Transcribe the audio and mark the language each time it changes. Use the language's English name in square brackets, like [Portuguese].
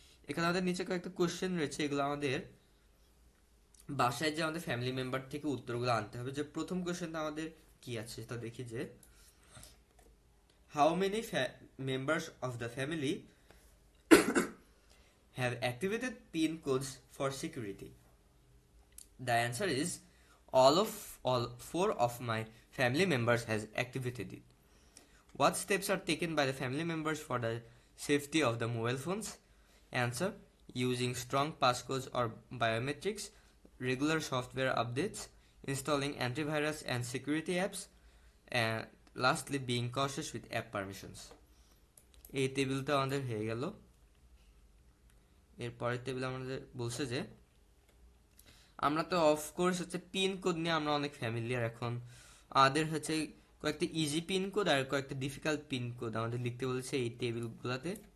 [Bangla] এখানে আমাদের নিচে কয়েকটা কোয়েশ্চেন রয়েছে, এগুলো আমাদের বাসায় যে আমাদের ফ্যামিলি মেম্বার থেকে উত্তরগুলো আনতে হবে। যে প্রথম কোয়েশ্চেনটা আমাদের কি আছে সেটা দেখি, যে [English] How many members of the family have activated pin codes for security. The answer is all four of my family members has activated it. What steps are taken by the family members for the safety of the mobile phones? Answer: using strong passcodes or biometrics, regular software updates, installing antivirus and security apps, and lastly being cautious with app permissions. [Bangla] এই টেবিলটা আমাদের হয়ে গেল, এরপরের table আমাদের বলছে যে আমরা তো অফকোর্স হচ্ছে পিন কোড নিয়ে আমরা অনেক ফ্যামিলিয়ার। এখন আমাদের হচ্ছে কয়েকটা ইজি পিন কোড আর কয়েকটা ডিফিকাল্ট পিন কোড আমাদের লিখতে বলেছে এই টেবিলগুলোতে।